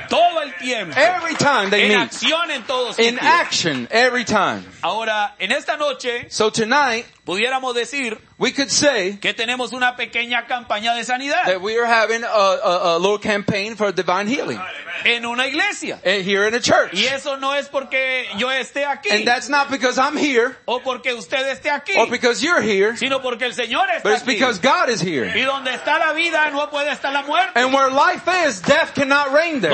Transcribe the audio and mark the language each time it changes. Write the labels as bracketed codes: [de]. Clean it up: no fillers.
[es] Todo el tiempo. [en] Every time they [es] en [en] meet. [es] Acción en todo sentido. [en] In action every time. [es] Ahora, en esta noche, [en] so tonight, [es] pudiéramos decir, [en] we could say [es] que tenemos una pequeña campaña de sanidad, [en] that we are having a little campaign for divine healing. [es] En una iglesia. [en] Here in a church. [es] Y eso no es porque yo esté aquí. [en] And that's not because I'm here. [es] O porque usted esté aquí. [en] Or because you're here. [es] Sino porque el Señor está aquí. [en] But because God is here. [es] Y donde está la vida, no puede estar la muerte. [en] And where life is, death cannot reign there.